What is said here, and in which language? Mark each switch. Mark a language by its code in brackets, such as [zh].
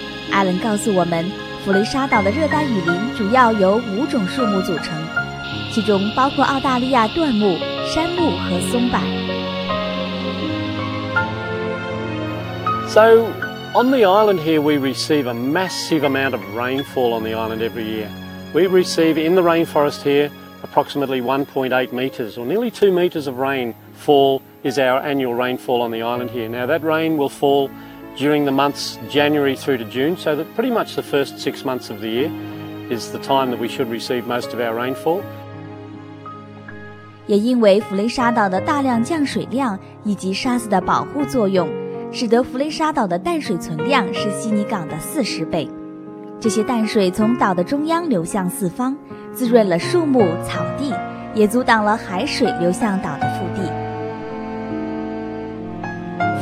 [zh] 艾伦告诉我们，弗雷沙岛的热带雨林主要由五种树木组成，其中包括澳大利亚椴木、杉木和松柏。 [en] So on the island here, we receive a massive amount of rainfall on the island every year. We receive in the rainforest here approximately 1.8 meters, or nearly 2 meters of rainfall is our annual rainfall on the island here. Now that rain will fall during the months January through to June, so that pretty much the first 6 months of the year is the time that we should receive most of our rainfall. [zh] 也因为弗雷沙岛的大量降水量以及沙子的保护作用，使得弗雷沙岛的淡水存量是悉尼港的40倍。这些淡水从岛的中央流向四方，滋润了树木、草地，也阻挡了海水流向岛的腹地。